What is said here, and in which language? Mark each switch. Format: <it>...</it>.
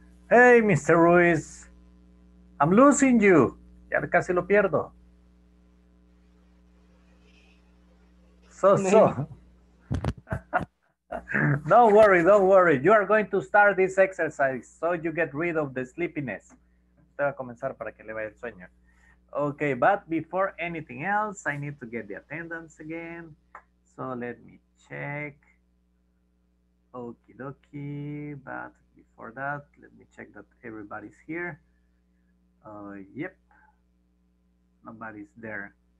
<en>Hey, Mr. Ruiz, I'm losing you.</en> <es>Ya casi lo pierdo.</es> <en>So. Don't worry. You are going to start this exercise so you get rid of the sleepiness.</en> <es>Usted va a comenzar para que le vaya el sueño.</es> <en>Okay, but before anything else, I need to get the attendance again. So let me check. Okie dokie. But before that, let me check that everybody's here. Yep. Nobody's there.</en>